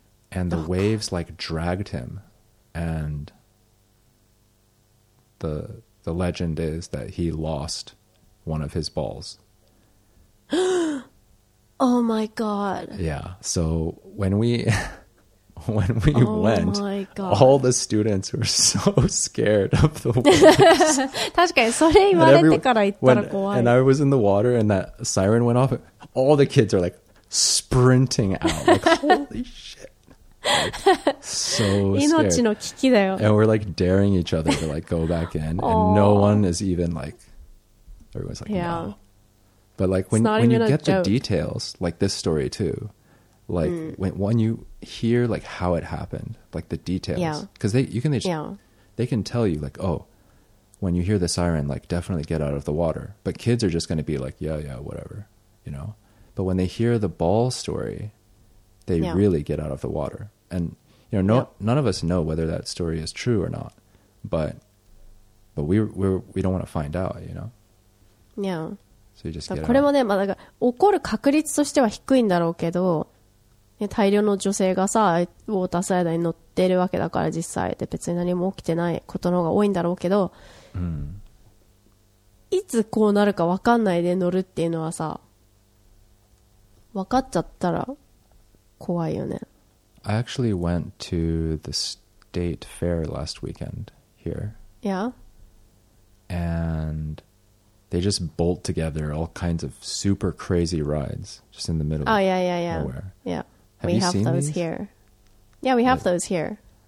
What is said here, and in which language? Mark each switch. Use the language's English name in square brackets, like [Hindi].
[English] And the waves like dragged him. And the legend is that he lost one of his balls. Oh my God. Yeah. So when we went, my God. All the students were so scared of the waves. [Japanese] 確かにそれ言われてから言ったら怖い。 [English] And I was in the water and that siren went off. All the kids are like sprinting out. Like, holy shit. Like, so scared. And we're like daring each other to like go back in. And no one is even like, everyone's like, yeah. No. But like when you get the details, like this story too, like when you hear like how it happened, like the details, because they can tell you like, oh, when you hear the siren, like definitely get out of the water. But kids are just going to be like, yeah, whatever, you know. But when they hear the ball story, they really get out of the water. And, you know, none of us know whether that story is true or not. But we don't want to find out, you know. Yeah. So you just get [Japanese] これもね、まあ、だから怒る確率としては低いんだろうけど、ね、大量の女性がさウォータースライダーに乗ってるわけだから実際で別に何も起きてないことの方が多いんだろうけど、いつこうなるか分かんないで乗るっていうのはさ分かっちゃったら怖いよね。 [English] I actually went to the state fair last weekend here. Yeah. AndThey just bolt together all kinds of super crazy rides just in the middle of nowhere. Yeah. We have those here. Yeah, we have those here.